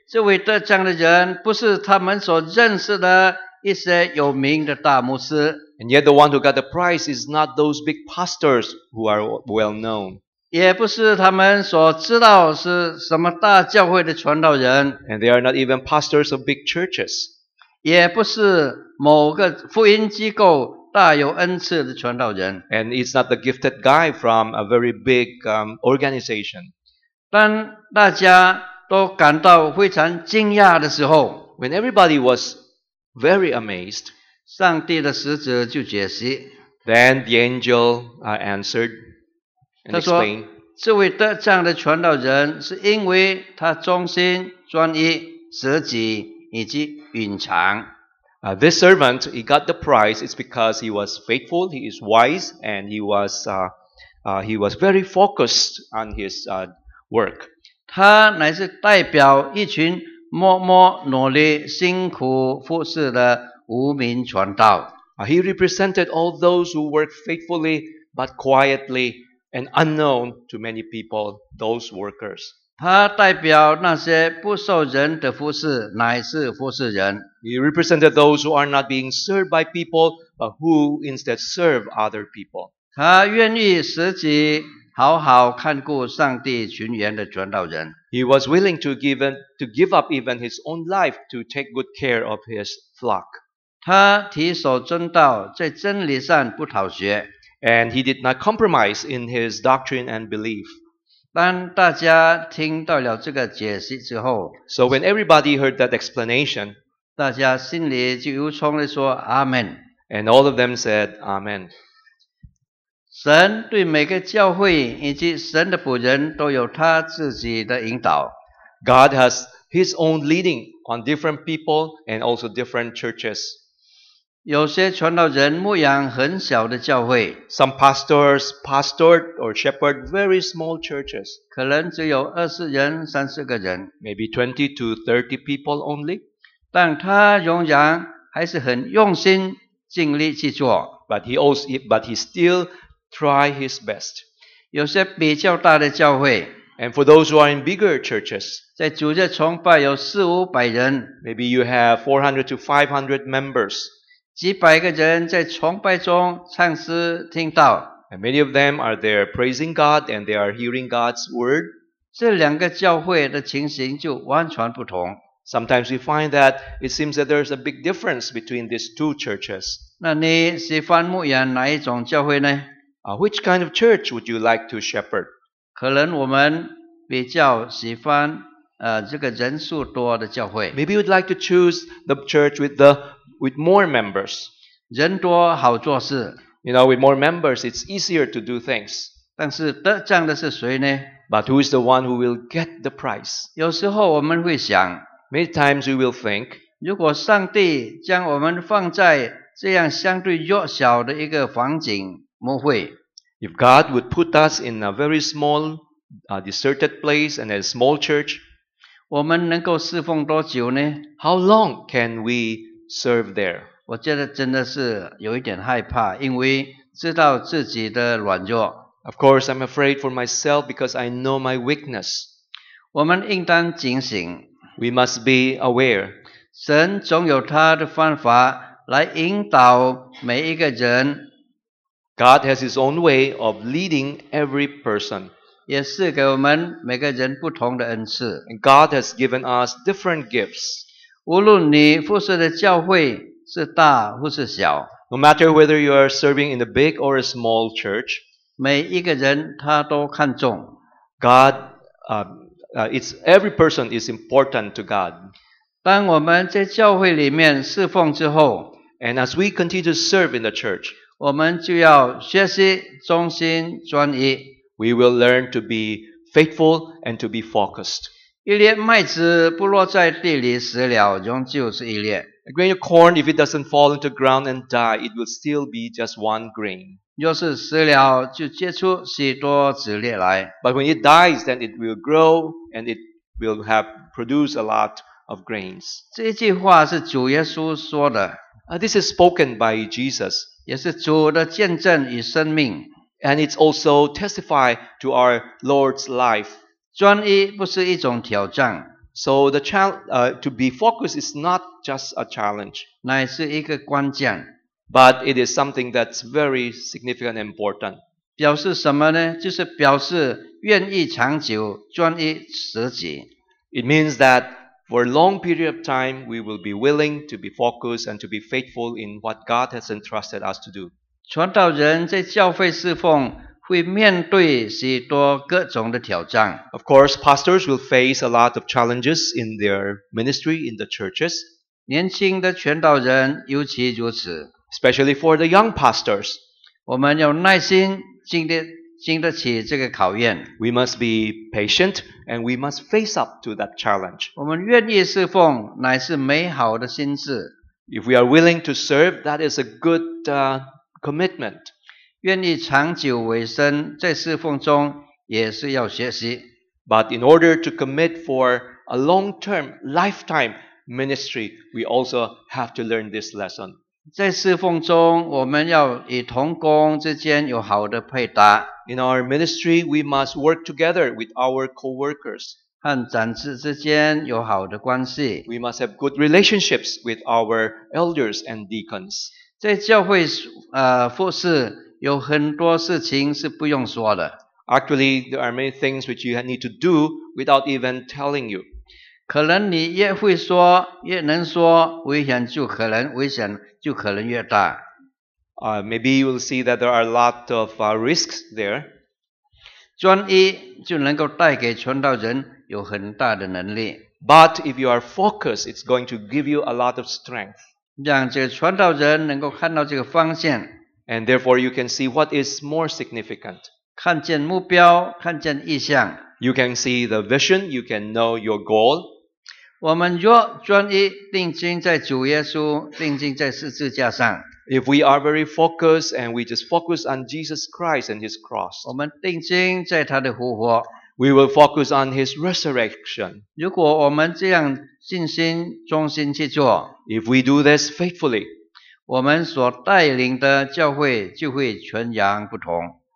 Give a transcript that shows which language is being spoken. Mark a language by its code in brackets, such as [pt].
[zh] 这位得奖的人不是他们所认识的一些有名的大牧师。 [en] And yet the one who got the prize is not those big pastors who are well known. [zh] 也不是他们所知道是什么大教会的传道人。 [en] And they are not even pastors of big churches. [zh] 也不是某个福音机构大有恩赐的传道人。 [en] And it's not the gifted guy from a very big organization. [zh] 当大家都感到非常惊讶的时候， [en] When everybody was very amazed, [zh] 上帝的使者就解释。 [en] Then the angel answered and explained. [zh] 这位得奖的传道人是因为他忠心、专一、舍己以及隐藏。 [en] This servant, he got the prize. It's because he was faithful, he is wise, and he was very focused on his work. [zh] 他乃是代表一群默默努力、辛苦服侍的无名传道。 [en] He represented all those who worked faithfully but quietly and unknown to many people, those workers. [zh] 他代表那些不受人的服侍乃是服侍人。 [en] He represented those who are not being served by people but who instead serve other people. [zh] 他愿意舍己好好看顾上帝群员的传道人。 [en] He was willing to give up even his own life to take good care of his flock. [zh] 他提守真道，在真理上不讨学。 [en] And he did not compromise in his doctrine and belief. [zh] 当大家听到了这个解释之后， [en] So when everybody heard that explanation, [zh] 大家心里就由衷地说 Amen. [en] And all of them said Amen. [zh] 神对每个教会以及神的仆人都有他自己的引导。 [en] God has his own leading on different people and also different churches. [zh] 有些传道人牧养很小的教会。 [en] Some pastors pastored or shepherd very small churches. [zh] 可能只有二十人、三十个人。 [en] Maybe 20 to 30 people only. [zh] 但他仍然还是很用心、尽力去做。 [en] But he still try his best. [zh] 有些比较大的教会。 [en] And for those who are in bigger churches. [zh] 在主日崇拜有四五百人。 [en] Maybe you have 400 to 500 members. [zh] 几百个人在崇拜中唱诗听到。 [en] And many of them are there praising God and they are hearing God's word. [zh] 这两个教会的情形就完全不同。 [en] Sometimes we find that it seems that there's a big difference between these two churches. [zh] 那你喜欢牧养哪一种教会呢？ [en] Which kind of church would you like to shepherd? [zh] 可能我们比较喜欢这个人数多的教会。 [en] Maybe you'd like to choose the church with more members. [zh] 人多好做事。 [en] You know, with more members, it's easier to do things. [zh] 但是得奖的是谁呢？ [en] But who is the one who will get the prize? [zh] 有时候我们会想， [en] Many times we will think, [zh] 如果上帝将我们放在这样相对弱小的一个环境，牧会， [en] If God would put us in a very small, deserted place and a small church, [zh] 我们能够侍奉多久呢？ [en] How long can we serve there. [zh] 我觉得真的是有一点害怕，因为知道自己的软弱。 [en] Of course, I'm afraid for myself because I know my weakness. [zh] 我们应当警醒。 [en] We must be aware. [zh] 神总有他的方法来引导每一个人。 [en] God has his own way of leading every person. [zh] 也是给我们每个人不同的恩赐。 [en] And God has given us different gifts. [zh] 无论你服侍的教会是大或是小， [en] No matter whether you are serving in a big or a small church, [zh] 每一个人他都看重。 [en] God, every person is important to God. [zh] 当我们在教会里面侍奉之后， [en] And as we continue to serve in the church, [zh] 我们就要学习忠心专一。 [en] We will learn to be faithful and to be focused. [zh] 一粒麦子不落在地里死了，仍旧是一粒。 [en] A grain of corn, if it doesn't fall into ground and die, it will still be just one grain. [zh] 若是死了，就结出许多子粒来。 [en] But when it dies, then it will grow and it will have produce a lot of grains. [zh] 这句话是主耶稣说的。 [en] This is spoken by Jesus. [zh] 也是主的见证与生命。 [en] And it's also testify to our Lord's life. [zh] 专一不是一种挑战。 [en] So the to be focused is not just a challenge. [zh] 乃是一个关键。 [en] But it is something that's very significant and important. [zh] 表示什么呢？就是表示愿意长久专一舍己。 [en] It means that for a long period of time, we will be willing to be focused and to be faithful in what God has entrusted us to do. [zh] 传道人在教会侍奉会面对许多各种的挑战。 [en] Of course, pastors will face a lot of challenges in their ministry in the churches. [zh] 年轻的传道人尤其如此。 [en] Especially for the young pastors. [zh] 我们要耐心经得起这个考验。 [en] We must be patient and we must face up to that challenge. [zh] 我们愿意侍奉乃是美好的心志。 [en] If we are willing to serve, that is a good commitment. [zh] 愿意长久为生在侍奉中也是要学习。 [en] But in order to commit for a long-term, lifetime ministry, we also have to learn this lesson. [zh] 在侍奉中我们要与同工之间有好的配搭。 [en] In our ministry, we must work together with our co-workers. [zh] 和长子之间有好的关系。 [en] We must have good relationships with our elders and deacons. [zh] 在教会服事有很多事情是不用说的。 [en] Actually, there are many things which you need to do without even telling you. [zh] 可能你越会说越能说，危险就可能越大。 [en] Maybe you will see that there are a lot of risks there. [zh] 专一就能够带给传道人有很大的能力。 [en] But if you are focused, it's going to give you a lot of strength. [zh] 让这个传道人能够看到这个方向。 [en] And therefore, you can see what is more significant. [zh] 看见目标，看见意向。 [en] You can see the vision, you can know your goal. [zh] 我们若专一定睛在主耶稣，定睛在十字架上。 [en] If we are very focused and we just focus on Jesus Christ and His cross. [zh] 我们定睛在他的复活。 [en] We will focus on His resurrection. [zh] 如果我们这样尽心忠心去做。 [en] If we do this faithfully. [zh] 我们所带领的教会就会全然不同。